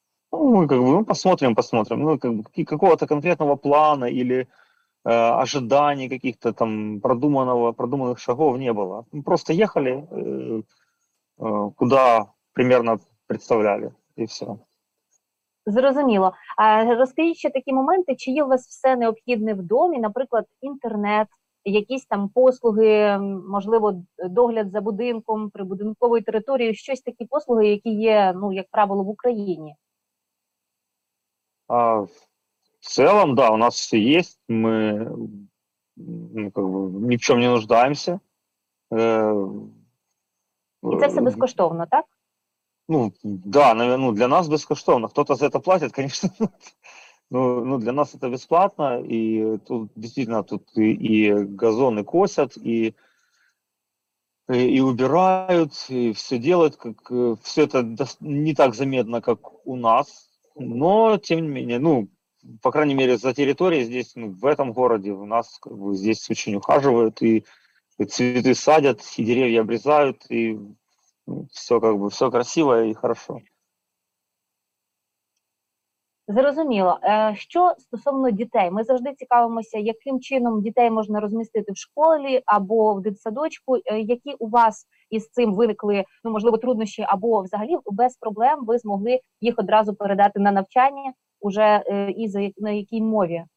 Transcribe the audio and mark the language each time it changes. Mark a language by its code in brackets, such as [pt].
[ru] Ну, мы как бы посмотрим. Ну, как бы какого-то конкретного плана или ожиданий каких-то там продуманных шагов не было. Мы просто ехали, куда примерно представляли, и все. [uk] Зрозуміло. Розкажіть ще такі моменти, чи є у вас все необхідне в домі, наприклад, інтернет, якісь там послуги, можливо, догляд за будинком, прибудинковою територією, щось такі послуги, які є, ну, як правило, в Україні? В цілому, да, у нас все є, ми ну, [ru] как бы, [uk] ні в чому не нуждаємося. І це все безкоштовно, так? Ну, да, ну, для нас безкоштовно, хтось за це платить, звісно. [ru] Ну, для нас это бесплатно, и тут действительно тут и газоны косят, и убирают, и все делают, как все это не так заметно, как у нас. Но тем не менее, ну, по крайней мере, за территорией здесь, ну, в этом городе, у нас как бы, здесь очень ухаживают, и цветы садят, и деревья обрезают, и ну, все как бы все красиво и хорошо. [uk] Зрозуміло. Що стосовно дітей? Ми завжди цікавимося, яким чином дітей можна розмістити в школі або в дитсадочку. Які у вас із цим виникли, ну, можливо, труднощі або взагалі без проблем ви змогли їх одразу передати на навчання уже і на якій мові?